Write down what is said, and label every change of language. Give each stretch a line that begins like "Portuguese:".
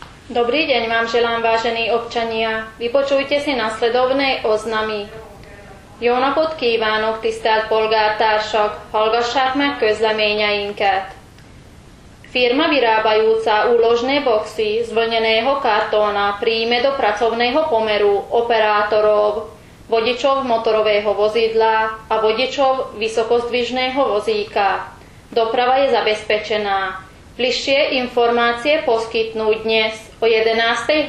Slovak: Dobrý deň vám želám, vážení občania. Vypočujte si nasledovné oznamy.
Hungarian: Jó napot kívánok, tisztelt polgártársak! Hallgassák meg közleményeinket!
Slovak: Firma vyrábajúca úložné boxy z vlneného kartóna príjme do pracovného pomeru operátorov, vodičov motorového vozidla a vodičov vysokozdvižného vozíka. Doprava je zabezpečená. Bližšie informácie poskytnú dnes o 11.